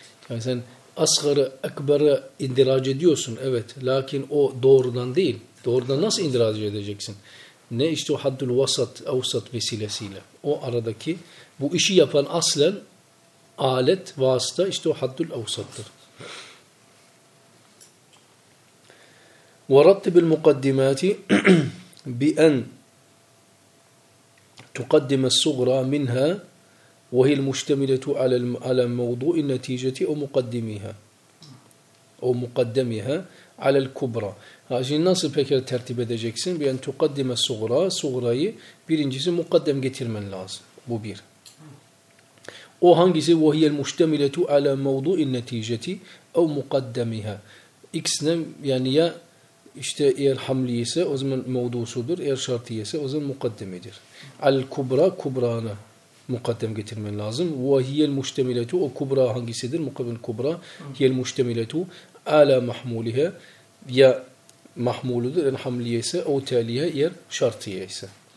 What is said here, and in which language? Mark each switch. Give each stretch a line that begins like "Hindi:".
Turkish: Yani sen asgarı, ekbarı indiraj ediyorsun. Evet. Lakin o doğrudan değil. Doğrudan nasıl indiraj edeceksin? Ne işte o haddül vasat, avsat vesilesiyle. O aradaki bu işi yapan aslen alet, vasıta işte o haddül avsattır.
Arabic: ورتب المقدمات بأن تقدم الصغرى منها وهي المشتملة على موضوع النتيجة أو مقدمها أو مقدمها على الكبرى.
Turkish: Şimdi nasıl peki tertip edeceksin? Bir an tukaddime sugra, sugrayı birincisi mukaddem getirmen lazım. Bu bir. O hangisi?
Arabic: وَهِيَ الْمُشْتَمِلَةُ عَلَى مَوْضُعِ النَّتِيجَةِ اَوْ مُقَدَّمِهَا.
Turkish: İkisine yani ya İşte eğer hamli ise o zaman mevdusudur. Eğer şartı ise o zaman mukaddemedir. Al-kubra, kubranı mukaddem getirmen lazım. Ve hiyel muştemiletu, o kubra hangisidir? Mukabil kubra. Hiyel muştemiletu, ala mahmulihe, ya mahmuludur, en hamliye ise, o teliye, yer şartıya ise.